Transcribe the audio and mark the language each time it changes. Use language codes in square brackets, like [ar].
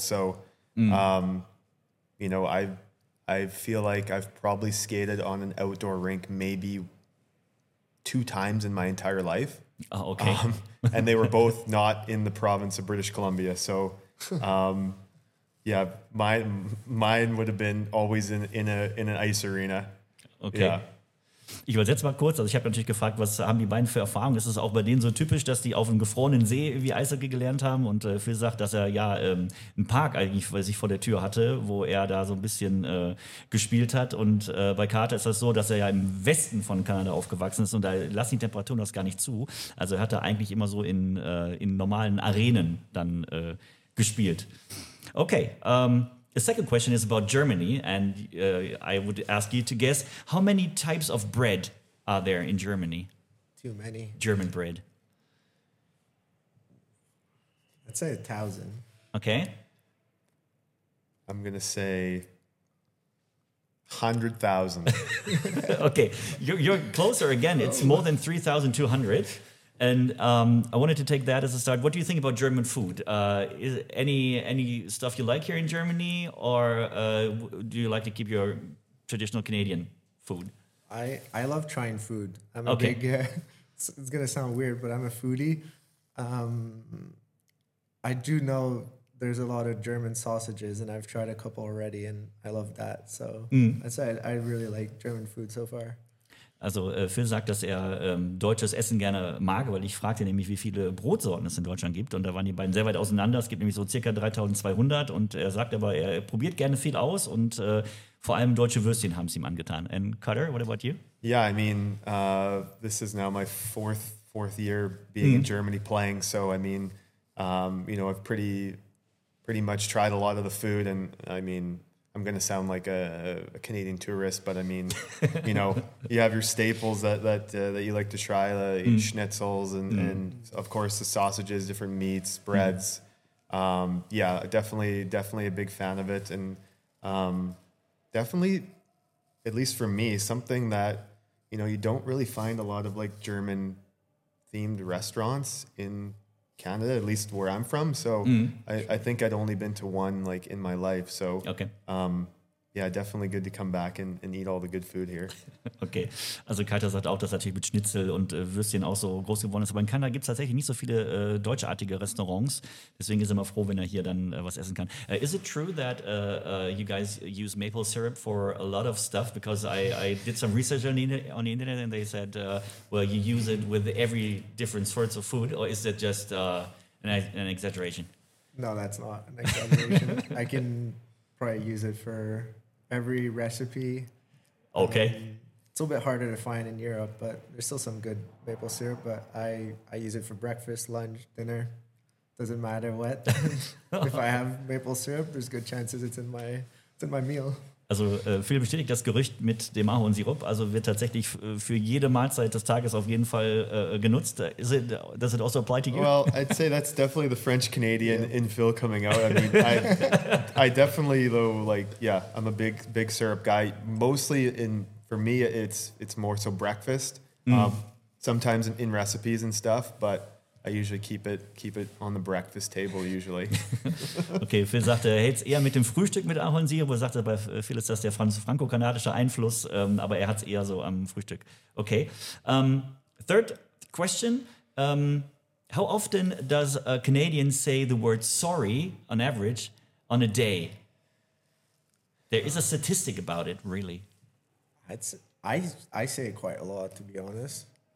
[en] So, you know, I feel like I've probably skated on an outdoor rink maybe two times in my entire life. Oh, okay. And they were both not in the province of British Columbia. So, yeah, mine would have been always in an ice arena. Okay. Yeah. [de] Ich übersetze mal kurz, also ich habe natürlich gefragt, was haben die beiden für Erfahrungen? Ist es auch bei denen so typisch, dass die auf einem gefrorenen See irgendwie Eishockey gelernt haben? Und Phil sagt, dass er ja einen Park eigentlich sich vor der Tür hatte, wo er da so ein bisschen gespielt hat. Und bei Carter ist das so, dass er ja im Westen von Kanada aufgewachsen ist und da lassen die Temperaturen das gar nicht zu. Also er hat da eigentlich immer so in normalen Arenen dann gespielt. [en] Okay, the second question is about Germany, and I would ask you to guess, how many types of bread are there in Germany? Too many. German bread. I'd say 1,000. Okay. I'm going to say 100,000. Okay, you're closer again. It's more than 3,200. And I wanted to take that as a start. What do you think about German food? Is any stuff you like here in Germany, or do you like to keep your traditional Canadian food? I love trying food. I'm a big, it's gonna sound weird, but I'm a foodie. I do know there's a lot of German sausages, and I've tried a couple already, and I love that. So I'd say I really like German food so far. [de] Also Phil sagt, dass er deutsches Essen gerne mag, weil ich fragte nämlich, wie viele Brotsorten es in Deutschland gibt. Und da waren die beiden sehr weit auseinander. Es gibt nämlich so circa 3200. Und er sagt aber, er probiert gerne viel aus. Und vor allem deutsche Würstchen haben es ihm angetan. [en] And Cutter, what about you? Yeah, I mean, this is now my fourth year being in Germany playing. So, I mean, you know, I've pretty much tried a lot of the food. And I mean, I'm going to sound like a Canadian tourist, but I mean, you know, you have your staples that you like to try, the schnitzels and of course the sausages, different meats, breads. Yeah, definitely a big fan of it. And definitely, at least for me, something that, you know, you don't really find a lot of like German themed restaurants in Canada, at least where I'm from. So I think I'd only been to one like in my life. So yeah, definitely good to come back and eat all the good food here. Okay. [de] Also Kater sagt auch, dass natürlich mit Schnitzel und Würstchen auch so groß geworden ist. Aber in Kanada gibt es tatsächlich nicht so viele deutschartige Restaurants. Deswegen ist er immer froh, wenn er hier dann was essen kann. [en] Is it true that you guys use maple syrup for a lot of stuff? Because I did some research on the internet and they said, well, you use it with every different sorts of food. Or is it just an exaggeration? No, that's not an exaggeration. I can probably use it for every recipe. Okay. It's a little bit harder to find in Europe, but there's still some good maple syrup, but I use it for breakfast, lunch, dinner. Doesn't matter what. If I have maple syrup, there's good chances it's in my meal. Also Phil bestätigt das Gerücht mit dem Ahornsirup. Also wird tatsächlich für jede Mahlzeit des Tages auf jeden Fall genutzt. Does it also apply to you? Well, I'd say that's definitely the French-Canadian in Phil coming out. I mean, I definitely, though, like, yeah, I'm a big syrup guy. Mostly for me, it's more so breakfast. Sometimes in recipes and stuff, but I usually keep it on the breakfast table usually. [de] Okay, Phil sagt, er hält es eher mit dem Frühstück mit Ahornsirup. Er sagt, bei Phil ist das der franco-kanadische Einfluss, aber er hat es eher so am Frühstück. [en] Okay. Third question. How often does a Canadian say the word sorry on average on a day? There is a statistic about it, really. I say it quite a lot, to be honest.